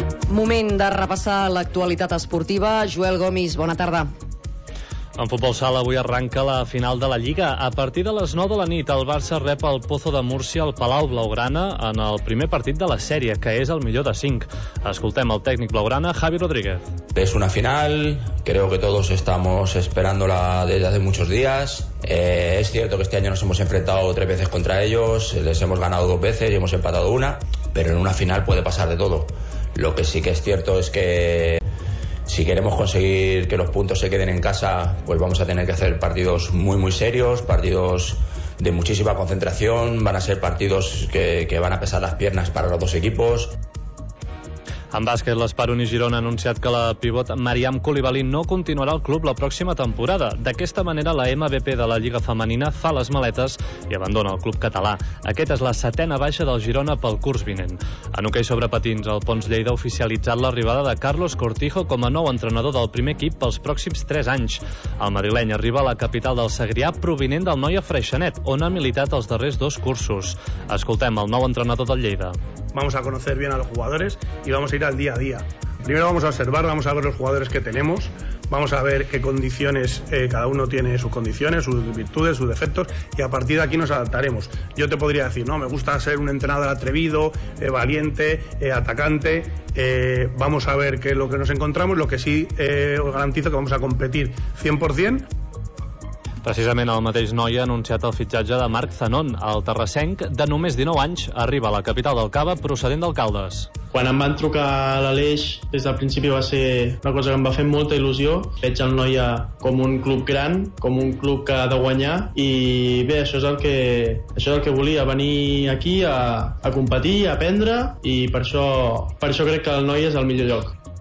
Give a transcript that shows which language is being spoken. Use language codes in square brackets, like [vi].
[ca] Moment de repassar l'actualitat esportiva. Joel Gomis, bona tarda. En futbol sala avui arranca la final de la Lliga. A partir de les 9 de la nit, el Barça rep el Pozo de Múrcia al Palau Blaugrana en el primer partit de la sèrie, que és el millor de 5. Escoltem el tècnic blaugrana, Javi Rodríguez. [es] Es una final, creo que todos estamos esperándola desde hace muchos días. Es cierto que este año nos hemos enfrentado 3 veces contra ellos, les hemos ganado 2 veces y hemos empatado una, pero en una final puede pasar de todo. Lo que sí que es cierto es que si queremos conseguir que los puntos se queden en casa, pues vamos a tener que hacer partidos muy, muy serios, partidos de muchísima concentración, van a ser partidos que van a pesar las piernas para los dos equipos. [ca] En bàsquet, l'Espar Uni Girona ha anunciat que la pivot Mariam Koulibaly no continuarà al club la pròxima temporada. D'aquesta manera, la MVP de la Lliga Femenina fa les maletes i abandona el club català. Aquesta és la setena baixa del Girona pel curs vinent. En hoquei sobre patins, el Pons Lleida ha oficialitzat l'arribada de Carlos Cortijo com a nou entrenador del primer equip pels pròxims 3 anys. El madrileny arriba a la capital del Segrià provinent del Noia Freixenet, on ha militat els darrers 2 cursos. Escoltem el nou entrenador del Lleida. [es] Vamos a conocer bien a los jugadores y vamos a ir al día a día. Primero vamos a observar, vamos a ver los jugadores que tenemos, vamos a ver qué condiciones cada uno tiene, sus condiciones, sus virtudes, sus defectos, y a partir de aquí nos adaptaremos. Yo te podría decir, no, me gusta ser un entrenador atrevido, valiente, atacante. Vamos a ver qué es lo que nos encontramos, lo que sí os garantizo que vamos a competir 100%. [ca] Precisament el mateix Noia ha anunciat el fitxatge de Marc Zanon. El terrassenc, de només 19 anys, arriba a la capital del Cava procedent del Caldes. Quan em van trucar a l'Aleix, des del principi va ser una cosa que em va fer molta il·lusió. Veig el Noia com un club gran, com un club que ha de guanyar, i bé, això és el que volia, venir aquí a competir, a aprendre, i per això crec que el Noia és el millor lloc.